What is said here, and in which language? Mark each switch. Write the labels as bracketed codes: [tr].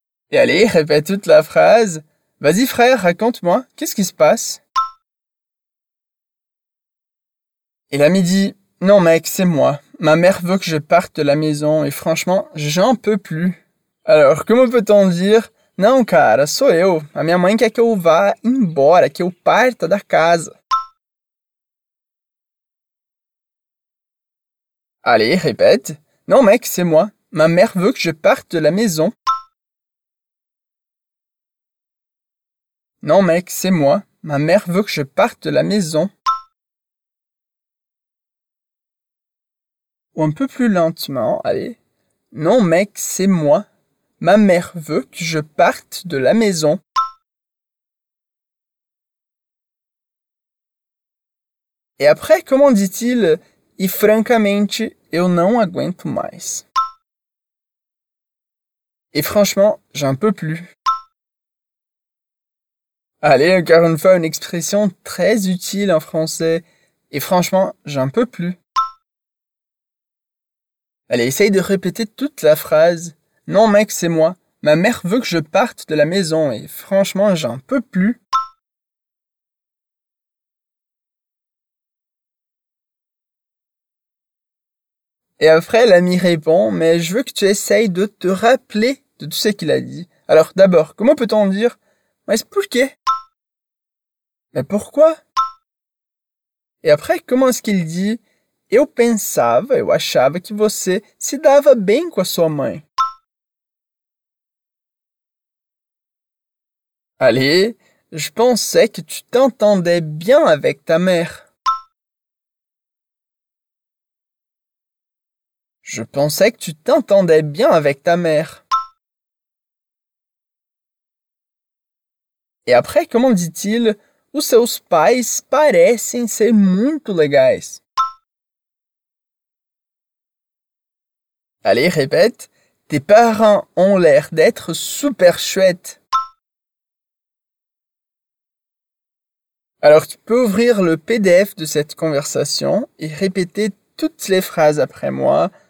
[fr] Et allez, répète toute la phrase. Vas-y frère, raconte-moi. Qu'est-ce qui se passe? Et l'ami dit, non mec, c'est moi. Ma mère veut que je parte de la maison et franchement, j'en peux plus. Alors, comment peut-on dire? [pt] Non, cara, sou eu. A minha mãe quer que eu vá embora, que eu parta da casa. [fr] Allez, répète. Non, mec, c'est moi. Ma mère veut que je parte de la maison. Non, mec, c'est moi. Ma mère veut que je parte de la maison. Ou un peu plus lentement, allez. Non, mec, c'est moi. Ma mère veut que je parte de la maison. Et après, comment dit-il? [pt] E francamente, eu não aguento mais. [fr] Et franchement, j'en peux plus. Allez, encore une fois, une expression très utile en français. Et franchement, j'en peux plus. Allez, essaye de répéter toute la phrase. Non, mec, c'est moi. Ma mère veut que je parte de la maison et franchement, j'en peux plus. Et après, l'ami répond, mais je veux que tu essayes de te rappeler de tout ce qu'il a dit. Alors d'abord, comment peut-on dire? [pt] Mas por quê? [fr] Mais pourquoi? Et après, comment est-ce qu'il dit? [pt] Eu pensava, eu achava que você se dava bem com a sua mãe. [fr] Allez, je pensais que tu t'entendais bien avec ta mère. Je pensais que tu t'entendais bien avec ta mère. Et après, comment dit-il? [pt] Os seus pais parecem ser muito legais. [fr] Allez, répète. Tes parents ont l'air d'être super chouettes. Alors, tu peux ouvrir le PDF de cette conversation et répéter toutes les phrases après moi.